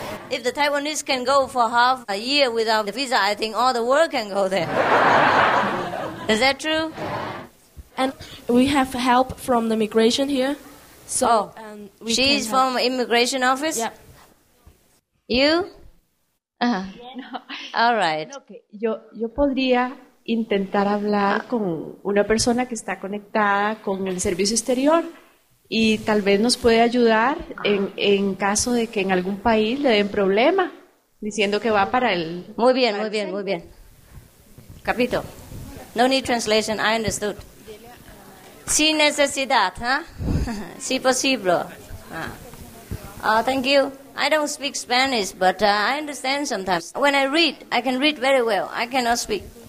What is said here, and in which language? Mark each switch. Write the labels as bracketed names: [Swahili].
[English] If the Taiwanese can go for half a year without the visa, I think all the world can go there. Is that true? And we have help from the immigration here. So she's from immigration office? Yeah. You? Uh-huh. No. All right. Okay. [Spanish] Yo podría intentar hablar con una persona que está conectada con el servicio exterior y tal vez nos puede ayudar en caso de que en algún país le den problema diciendo que va para el... Muy bien, muy bien, muy bien. [Italian] Capito. [English] No need translation, I understood. Sin necesidad, ¿eh? Si posible. Oh, thank you. I don't speak Spanish, but I understand sometimes. When I can read very well. I cannot speak.